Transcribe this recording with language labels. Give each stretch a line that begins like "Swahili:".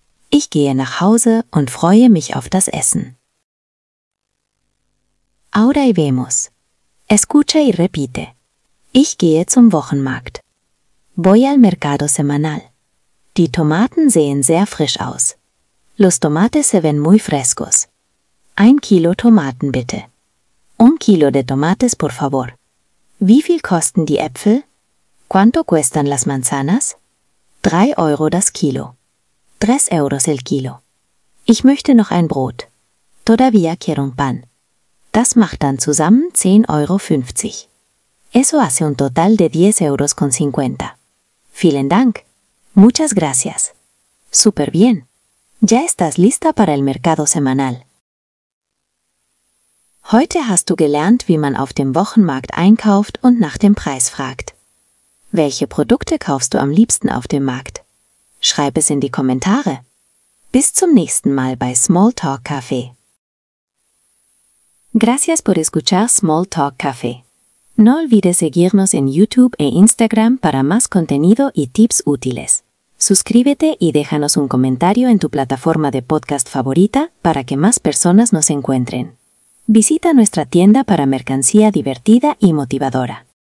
German: Ich gehe nach Hause und freue mich auf das Essen.
Spanish: Ahora y vemos. Escucha y repite.
German: Ich gehe zum Wochenmarkt.
Spanish: Voy al mercado semanal.
German: Die Tomaten sehen sehr frisch aus.
Spanish: Los tomates se ven muy frescos.
German: 1 Kilo Tomaten bitte.
Spanish: 1 Kilo de tomates, por favor.
German: Wie viel kosten die Äpfel?
Spanish: ¿Cuánto cuestan las manzanas?
German: 3 Euro das Kilo.
Spanish: 3 euros el kilo.
German: Ich möchte noch ein Brot.
Spanish: Todavía quiero un pan.
German: Das macht dann zusammen 10,50 Euro.
Spanish: Eso hace un total de 10,50 euros.
German: Vielen Dank.
Spanish: Muchas gracias. Super bien. Ya estás lista para el mercado semanal.
German: Heute hast du gelernt, wie man auf dem Wochenmarkt einkauft und nach dem Preis fragt. Welche Produkte kaufst du am liebsten auf dem Markt? Schreib es in die Kommentare. Bis zum nächsten Mal bei Small Talk Café.
Spanish: Gracias por escuchar Small Talk Café. No olvides seguirnos en YouTube e Instagram para más contenido y tips útiles. Suscríbete y déjanos un comentario en tu plataforma de podcast favorita para que más personas nos encuentren. Visita nuestra tienda para mercancía divertida y motivadora.